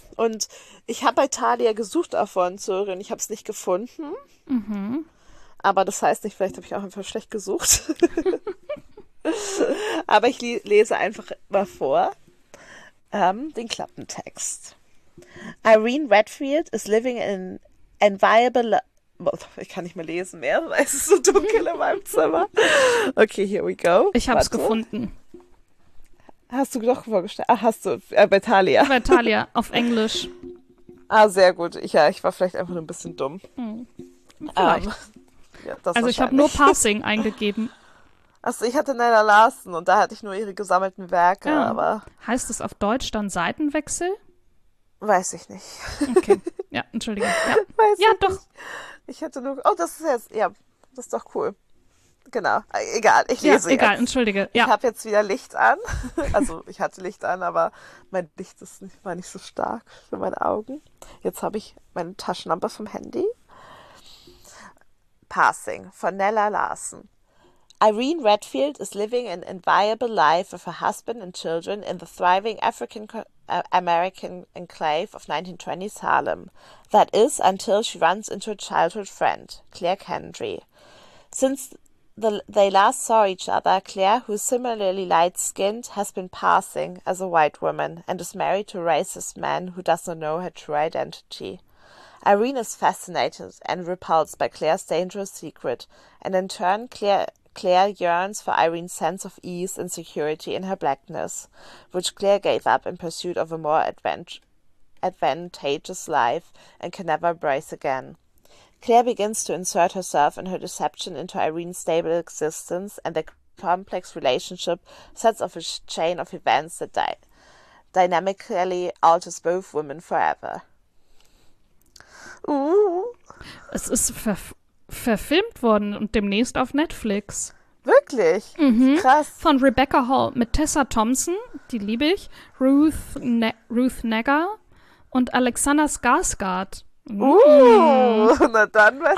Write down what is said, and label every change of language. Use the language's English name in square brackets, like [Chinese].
[German] Und ich habe bei Thalia gesucht davon, Sorry, und ich habe es nicht gefunden. Mhm. Aber das heißt nicht, vielleicht habe ich auch einfach schlecht gesucht. Aber ich lese einfach mal vor den Klappentext. [English] Irene Redfield is living in enviable. [German] Ich kann nicht mehr lesen mehr, weil es ist so dunkel in meinem Zimmer. [English] Okay, here we go. [German] Ich habe es gefunden. Hast du doch vorgestellt? Ah, hast du. Bei Thalia. Bei Thalia, auf Englisch. Ah, sehr gut. Ja, ich war vielleicht einfach nur ein bisschen dumm. Hm. Ja, das also, ich habe nur Passing eingegeben. Achso, ich hatte Nella Larsen und da hatte ich nur ihre gesammelten Werke. Ja. Aber heißt es auf Deutsch dann Seitenwechsel? Weiß ich nicht. Okay. Ja, Entschuldigung. Ja, weiß ja ich doch. Nicht. Ich hätte nur. Oh, das ist jetzt. Ja, das ist doch cool. Genau. Egal, ich lese ja, jetzt. Egal, entschuldige. Ja. Ich habe jetzt wieder Licht an. Also, ich hatte Licht an, aber mein Licht ist nicht, war nicht so stark für meine Augen. Jetzt habe ich meine Taschenlampe vom Handy. Passing von Nella Larsen. [English] Irene Redfield is living an enviable life with her husband and children in the thriving African American enclave of 1920s Harlem. That is, until she runs into a childhood friend, Claire Kendry. Since they last saw each other, Claire, who is similarly light-skinned, has been passing as a white woman and is married to a racist man who doesn't know her true identity. Irene is fascinated and repulsed by Claire's dangerous secret, and in turn, Claire yearns for Irene's sense of ease and security in her blackness, which Claire gave up in pursuit of a more advantageous life and can never embrace again. Claire begins to insert herself and her deception into Irene's stable existence, and the complex relationship sets off a chain of events that dynamically alters both women forever. [German] Es ist verfilmt worden und demnächst auf Netflix. Wirklich? Mhm. Krass. Von Rebecca Hall mit Tessa Thompson, die liebe ich, Ruth Negga und Alexander Skarsgård. Na dann weiß ich,